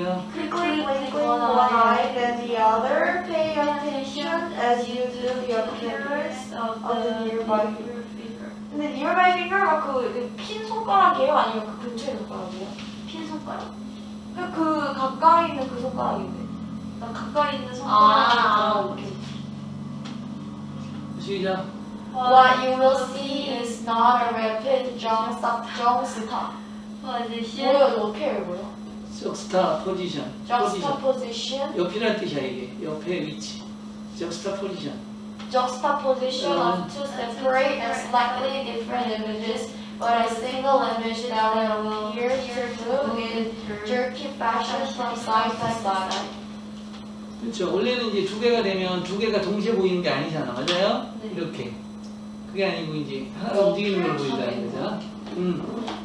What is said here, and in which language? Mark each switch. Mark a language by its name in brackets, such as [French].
[English] Quickly blink one eye, then the other, paying attention as you do to the appearance of the nearby finger. [Korean] 근데 [English] nearby finger [Korean] 가 그 핀 손가락이에요? 아니면 그 근처의 손가락이에요? 핀 손가락. 그 가까이 있는 그 손가락인데. 나 가까이 있는 손가락. 아, 오케이. [English] What you will see is not a rapid jump stop. [Korean] 뭐예요? 어떻게 읽어요? [English] Jump stop position. Jump stop position. [Korean] 옆이란 뜻이야 이게. 옆에 위치. [English] Jump stop position. Jump stop position of two separate and slightly different images, but a single image that will appear to move in jerky fashion from side to side. [Korean] 그렇죠. 원래는 이제 두 개가 되면 두 개가 동시에 보이는 게 아니잖아. 맞아요? 네. 이렇게. 그게 아니고 이제 하나가 움직이는 걸 보인다는 거죠.